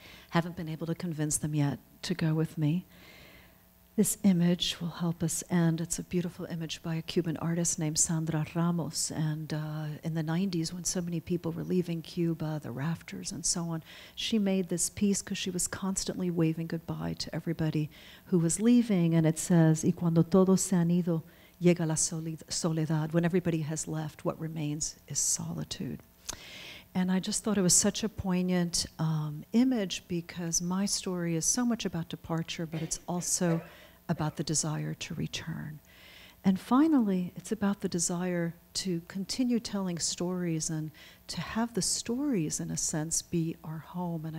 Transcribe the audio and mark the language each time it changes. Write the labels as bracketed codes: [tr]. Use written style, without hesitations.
[en] Haven't been able to convince them yet to go with me. This image will help us end. It's a beautiful image by a Cuban artist named Sandra Ramos. And in the 90s, when so many people were leaving Cuba, the rafters and so on, she made this piece because she was constantly waving goodbye to everybody who was leaving. And it says, [es] y cuando todos se han ido, llega la soledad. [en] When everybody has left, what remains is solitude. And I just thought it was such a poignant image because my story is so much about departure, but it's also about the desire to return. And finally, it's about the desire to continue telling stories and to have the stories, in a sense, be our home.